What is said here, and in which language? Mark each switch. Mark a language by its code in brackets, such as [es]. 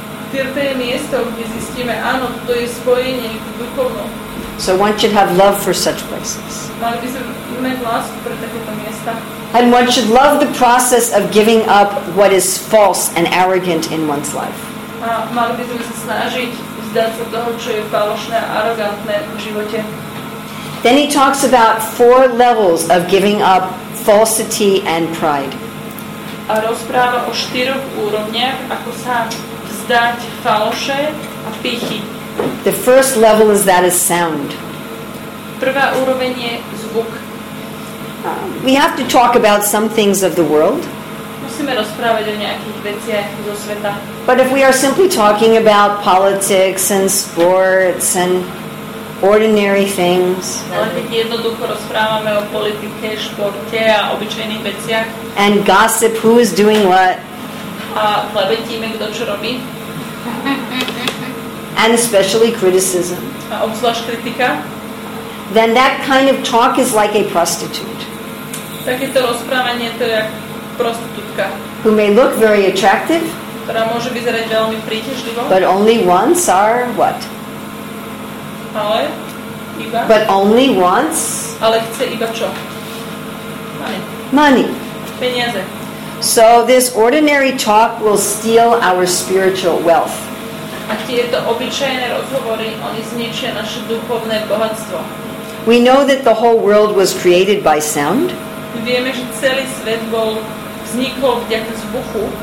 [sk] Tirtha je miesto, kde zistíme, áno, to je spojenie k duchovnom. [en] So one should have love for such places. [sk] Mali by sme mať lásku pre takéto miesta. [en] And one should love the process of giving up what is false and arrogant in one's life. [sk] Mali by sme sa snažiť vzdať sa toho, čo je falošné a arogantné v živote. [en] Then he talks about four levels of giving up falsity and pride. [sk] A rozpráva o štyroch úrovniach, ako sa vzdať falše a pýchy. [en] The first level is that is sound. [sk] Prvá úroveň je zvuk. [en] We have to talk about some things of the world. [sk] Musíme rozprávať o nejakých veciach zo sveta. [en] But if we are simply talking about politics and sports and ordinary things. [sk] Ale keď jednoducho rozprávame o politike, športe a obyčajných veciach. [en] And gossip, who is doing what. [sk] A klebetíme, kto čo robí. [en] And especially criticism. [sk] A obzvlášť kritika. [en] Then that kind of talk is like a prostitute. [sk] Takéto rozprávanie to je ako prostitútka. [en] Who may look very attractive. [sk] Ktorá môže vyzerať veľmi príťažlivo. [en] But only once are what? [sk] Ale, [en] but only once. [sk] Ale chce iba čo? [en] Money. [sk] Peniaze. [en] So this ordinary talk will steal our spiritual wealth. [sk] A tieto obyčajné rozhovory, oni zničia naše duchovné bohatstvo. [en] We know that the whole world was created by sound. [sk] Vieme, že celý svet bol vznikol vďaka zvuku.